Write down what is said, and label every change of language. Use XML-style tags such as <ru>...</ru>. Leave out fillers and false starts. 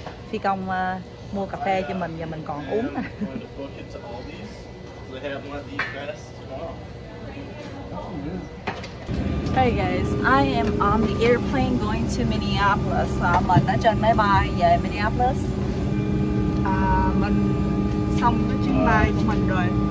<vi>Phi công mua cà phê cho mình và mình còn uống.</vi> <en>Hey guys, I am on the airplane going to Minneapolis.</en> <vi>Mình đã trên máy bay về Minneapolis. Mình xong cái chuyến bay của mình rồi.</vi>